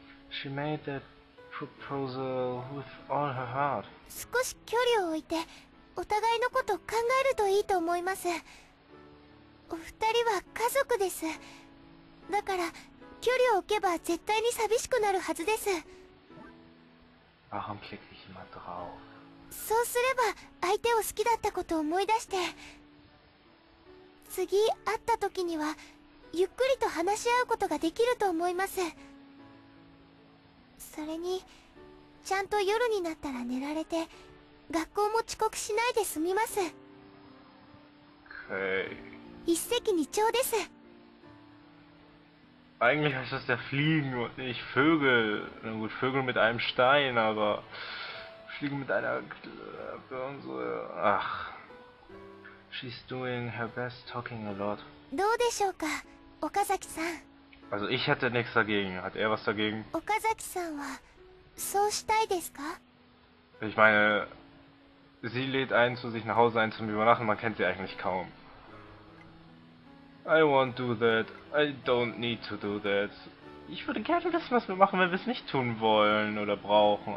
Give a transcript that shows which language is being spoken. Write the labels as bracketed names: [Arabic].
[English] She made that proposal with all her heart. [Japanese] 少し距離を置いて、お互いのことを考えるといいと思います。お二人は家族です。だから、距離を置けば絶対に寂しくなるはずです。 [German] Warum klicke ich immer drauf? [Japanese] そうすれば、相手を好きだったことを思い出して、次会った時には、ゆっくりと話し合うことができると思います。それに、ちゃんと夜になったら寝られて、学校も遅刻しないで済みます。 [English] Okay. [Japanese] 一石二鳥です。 [German] Eigentlich heißt das ja Fliegen und nicht Vögel. Na gut, Vögel mit einem Stein, aber Fliegen mit einer Klappe und so. [English] Ach. She's doing her best talking a lot. [Japanese] どうでしょうか?岡崎さん。 [German] Also ich hätte nichts dagegen. Hat er was dagegen? [Japanese] 岡崎さんはそうしたいですか? [German] Ich meine, sie lädt einen zu sich nach Hause ein zum Übernachten. Man kennt sie eigentlich kaum. [English] I won't do that. I don't need to do that. [German] Ich würde gerne wissen, was wir machen, wenn wir es nicht tun wollen oder brauchen.